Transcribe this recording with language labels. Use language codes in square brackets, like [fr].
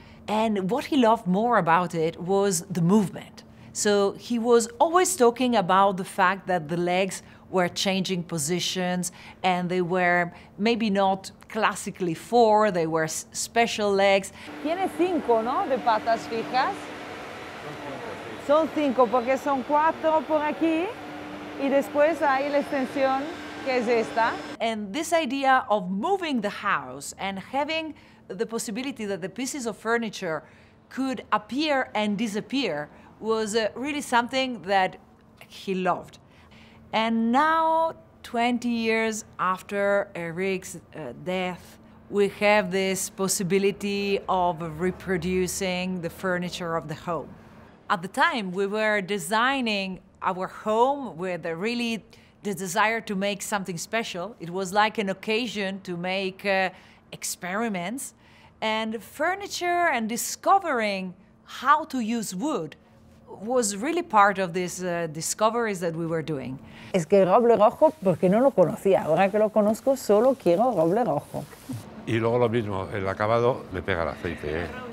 [en] And what he loved more about it was the movement. So he was always talking about the fact that the legs were changing positions and they were maybe not classically four, they were special legs. [es] Tiene cinco, ¿no? De patas fijas. Son cinco, porque son cuatro por aquí y después hay la extensión. [en] And this idea of moving the house and having the possibility that the pieces of furniture could appear and disappear was really something that he loved. And now, 20 years after Eric's death, we have this possibility of reproducing the furniture of the home. At the time, we were designing our home with a really the desire to make something special. It was like an occasion to make experiments. And furniture and discovering how to use wood was really part of these discoveries that we were doing. [es] Es que roble rojo, porque no lo conocía. Ahora que lo conozco, solo quiero roble rojo. Y luego lo mismo, el acabado le pega el aceite.